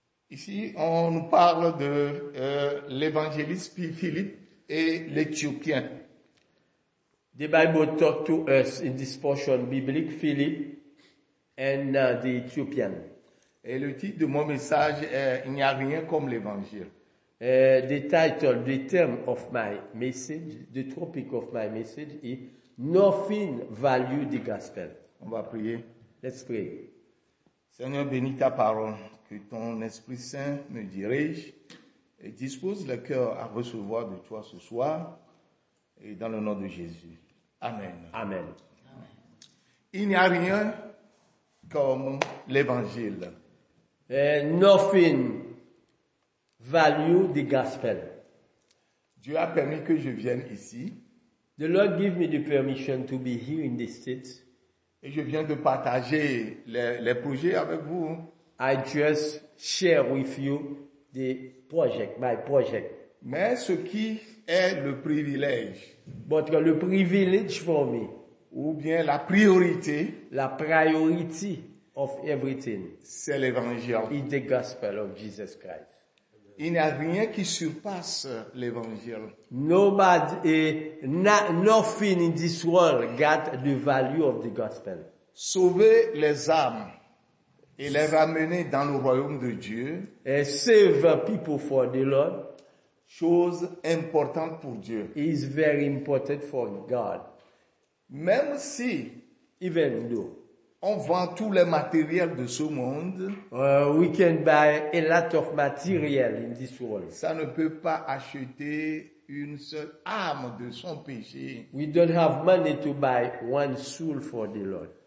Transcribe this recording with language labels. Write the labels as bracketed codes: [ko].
[fr] Ici, on nous parle de l'évangéliste Philippe et l'Éthiopien. [en] The Bible talk to us in this [fr] portion biblique, [en] Philippe and the Ethiopian. [fr] Et le titre de mon message est « Il n'y a rien comme l'évangile ». [en] The title, the term of my message, the topic of my message is « Nothing value the gospel ». [fr] On va prier. [en] Let's pray. [fr] Seigneur, bénis ta parole. Que ton Esprit Saint me dirige et dispose le cœur à recevoir de toi ce soir et dans le nom de Jésus. Amen. Amen. Il n'y a rien comme l'Évangile. [en] Nothing value the gospel. [fr] Dieu a permis que je vienne ici. [en] The Lord gave me the permission to be here in the States. [fr] Et je viens de partager les projets avec vous. [en] I just share with you the project, my project. [fr] Mais ce qui est le privilège. [en] But [fr] le privilège [en] for me. [fr] Ou bien la priorité. [en] La priority of everything. [fr] C'est l'évangile. [en] In the gospel of Jesus Christ. [fr] Il n'y a rien qui surpasse l'évangile. [en] Nothing in this world got the value of the gospel. [fr] Sauver les âmes. Et les ramener dans le royaume de Dieu. [en] And save people for the Lord. [fr] Chose importante pour Dieu. [en] Is very important for God. [fr] Même si, [en] even though, [fr] on vend tous les matériels de ce monde, [en] We can buy a lot of material in this world. [fr] Ça ne peut pas acheter une seule âme de son péché. [en] We don't have money to buy one soul for the Lord.